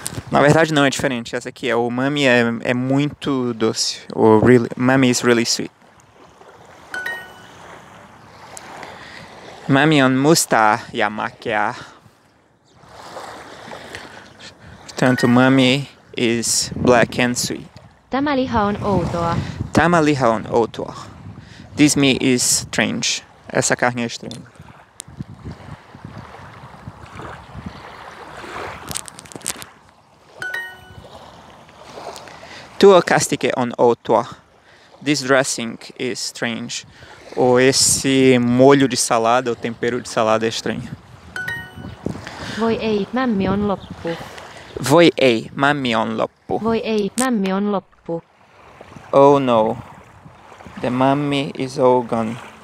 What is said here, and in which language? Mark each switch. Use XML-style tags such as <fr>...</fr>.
<pt>Na verdade não, é diferente. Essa aqui é o mami é muito doce.</pt> <en>O really, mami is really sweet.</en> <fi>Mami on musta ja makea.</fi> <pt>Portanto,</pt> <en>mami is black and sweet.</en> <fi>Tämä liha on outoa. Tämä liha on outoa.</fi> <en>This meat is strange.</en> <pt>Essa carne é estranha.</pt> <fi>Tuo kastike on outoa.</fi> <en>This dressing is strange.</en> <pt>Ou esse molho de salada, ou tempero de salada é estranho.</pt> <fi>Voi ei, mämmi on loppu. Voi ei, mämmi on loppu. Voi ei, mämmi on loppu.</fi> <en>Oh no. The mämmi is all gone.</en>